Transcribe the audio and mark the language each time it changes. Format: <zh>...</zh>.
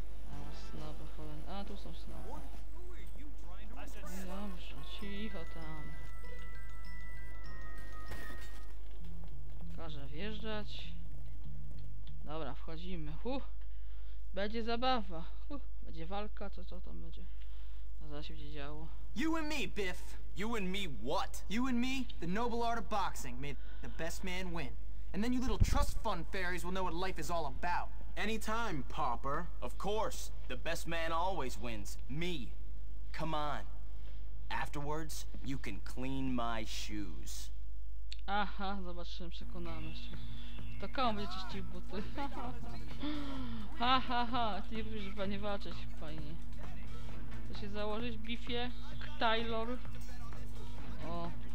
<pl>A, snowy cholera. A, tu są snowy. Dobrze, cicho tam. Każę wjeżdżać. Dobra, wchodzimy. Będzie zabawa. Będzie walka, co tam będzie. Zaraz się będzie działo.</pl> <en>You and me, Biff. You and me what? You and me, the noble art of boxing, made the best man win. And then you little trust fund fairies will know what life is all about. Anytime, Popper. Of course, the best man always wins. Me. Come on. Afterwards, you can clean my shoes.</en> <pl>Aha, zobaczymy, przekonamy się. To komu będzie czyścił buty? Ha, ha, ha, ty nie będziesz chyba nie walczyć, fajnie. Chcesz się założyć, Biffie? Taylor? O.</pl>